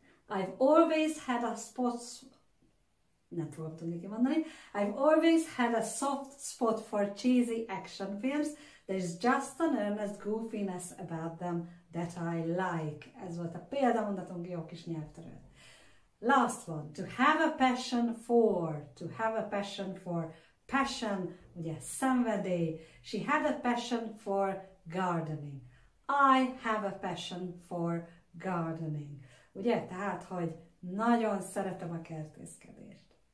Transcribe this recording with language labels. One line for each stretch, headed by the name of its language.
English: I've always had a spot,
Hungarian: nem tudom tudni kimondani,
English: I've always had a soft spot for cheesy action films, there's just an earnest goofiness about them that I like.
Hungarian: Ez volt a példamondatunk, jó kis nyelvtörő.
English: Last one, to have a passion for, to have a passion for, passion,
Hungarian: ugye, szenvedély,
English: she had a passion for gardening. I have a passion for gardening.
Hungarian: Ugye, tehát, hogy nagyon szeretem a kertészkedést.